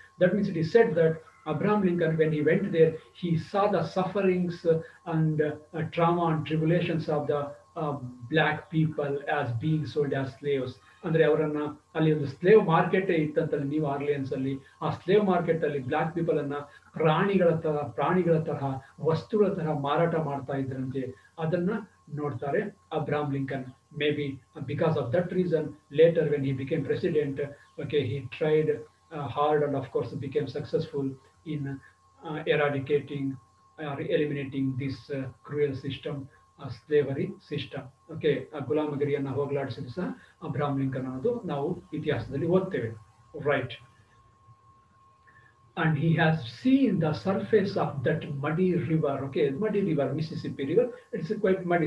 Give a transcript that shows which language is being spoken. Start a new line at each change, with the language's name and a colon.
English: That means it is said that Abraham Lincoln, when he went there, he saw the sufferings and trauma and tribulations of the black people as being sold as slaves.
Kannada: Andre avaranna alli ond slave market ittanta New Orleans alli, aa slave market alli black people anna ಪ್ರಾಣಿಗಳ ತರಹ ವಸ್ತುಗಳ ತರಹ ಮಾರಾಟ ಮಾಡ್ತಾ ಇದ್ರಂತೆ. ಅದನ್ನ ನೋಡ್ತಾರೆ Abraham Lincoln.
English: Maybe because of that reason later when he became president, okay, he tried hard and of course became successful in eradicating or eliminating this cruel system, slavery system.
Kannada: Okay, ಗುಲಾಮಗಿರಿಯನ್ನು ಹೋಗಲಾಡಿಸಿದ ಸಹ Abraham Lincoln ಅನ್ನೋದು ನಾವು ಇತಿಹಾಸದಲ್ಲಿ ಓದ್ತೇವೆ.
English: Right. And he has seen the surface of that muddy river. Okay, muddy river, Mississippi river, it's quite muddy.